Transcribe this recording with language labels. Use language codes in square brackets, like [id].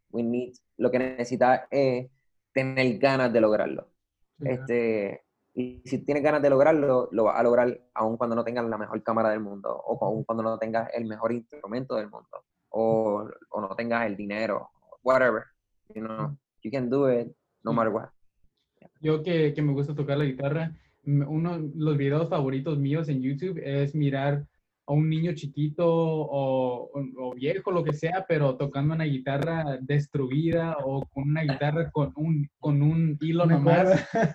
[en] We need, [es] lo que necesitas es tener ganas de lograrlo. Yeah. Y si tienes ganas de lograrlo, lo vas a lograr aun cuando no tengas la mejor cámara del mundo, o aun cuando no tengas el mejor instrumento del mundo, o no tengas el dinero, whatever. [en] You know, you can do it no matter what. [es] Yo que me gusta tocar la guitarra, uno de los videos favoritos míos en YouTube es mirar a un niño chiquito o viejo, lo que sea, pero tocando una guitarra destruida o con una guitarra con un hilo nomás.